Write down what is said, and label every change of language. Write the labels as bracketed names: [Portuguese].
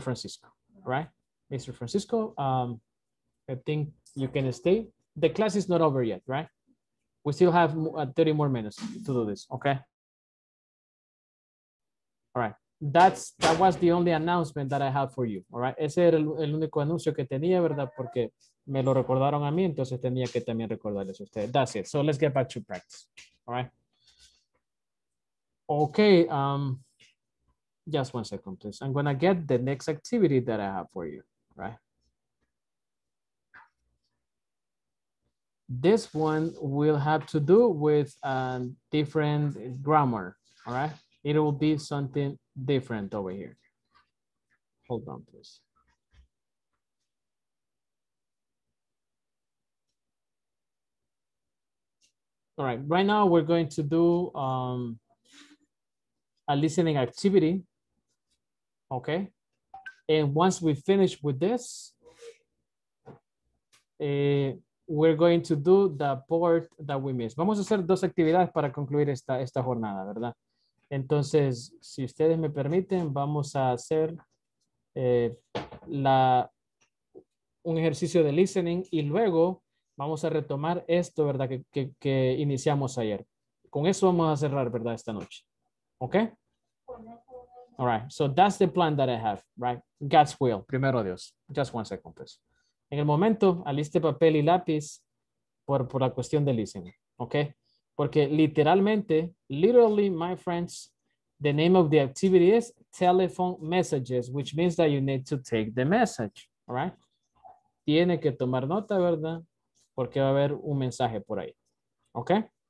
[English] Francisco. Right? Mr. Francisco, I think you can stay. The class is not over yet, right? We still have 30 more minutes to do this. Okay. All right. That was the only announcement that I had for you, all right? [Spanish] Ese era el único anuncio que tenía, ¿verdad? Porque me lo recordaron a mí, entonces tenía que también recordarles a ustedes. [English] That's it. So let's get back to practice, all right? Okay, just one second, please. I'm going to get the next activity that I have for you, right? This one will have to do with a different grammar, all right? It will be something different over here. Hold on, please. All right, right now we're going to do a listening activity, okay? And once we finish with this, we're going to do the part that we missed. [Spanish] Vamos a hacer dos actividades para concluir esta jornada, ¿verdad? Entonces, si ustedes me permiten, vamos a hacer un ejercicio de listening y luego vamos a retomar esto, ¿verdad?, que iniciamos ayer. Con eso vamos a cerrar, ¿verdad?, esta noche. [English] ¿Ok? All right. So that's the plan that I have, right? God's will. [Spanish] Primero Dios. [English] Just one second, please. [Spanish] En el momento, aliste papel y lápiz por la cuestión de listening. [English] ¿Ok? Porque literally, my friends, the name of the activity is telephone messages, which means that you need to take the message, all right? [Spanish] Tiene que tomar nota, ¿verdad? Porque va a haber un mensaje por ahí, okay?